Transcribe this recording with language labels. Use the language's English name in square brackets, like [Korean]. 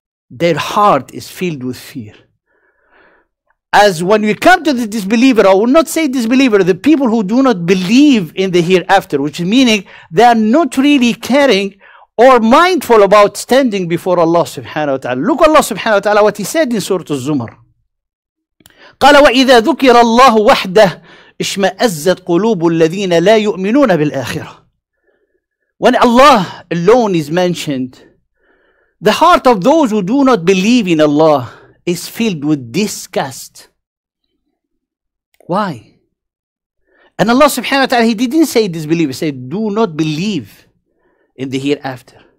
[English] Their heart is filled with fear. As when we come to the disbeliever, I will not say disbeliever, the people who do not believe in the hereafter, which is meaning they are not really caring or mindful about standing before Allah subhanahu wa ta'ala. Look at Allah subhanahu wa ta'ala what He said in Surah Az-Zumar. [Arabic] قال وإذا ذكر الله وحده اشمأزت قلوب الذين لا يؤمنون بالآخرة. [English] When Allah alone is mentioned, the heart of those who do not believe in Allah is filled with disgust. Why? And Allah subhanahu wa ta'ala, He didn't say disbelieve, He said do not believe in the hereafter.